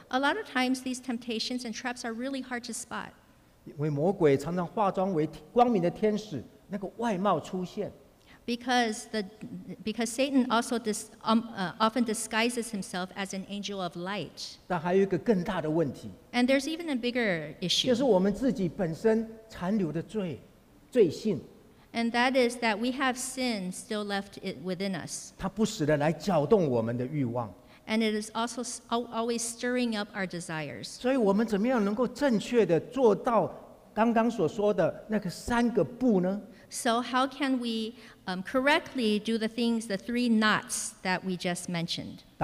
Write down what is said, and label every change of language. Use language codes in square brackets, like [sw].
[en] A lot of times, these temptations and traps are really hard to spot. [zh] 因为魔鬼常常化妆为光明的天使, 那个外貌出现。 [en] Because Satan also often disguises himself as an angel of light. [zh] 但还有一个更大的问题。 [en] And there's even a bigger issue. [zh] 就是我们自己本身残留的罪性。 [en] And that is that we have sin still left within us. [zh] 它不时地来搅动我们的欲望。 [en] And it is also always stirring up our desires. [zh] 所以我们怎么样能够正确地做到刚刚所说的那个三个不呢? [en] So how can we correctly do the things, the three knots that we just mentioned?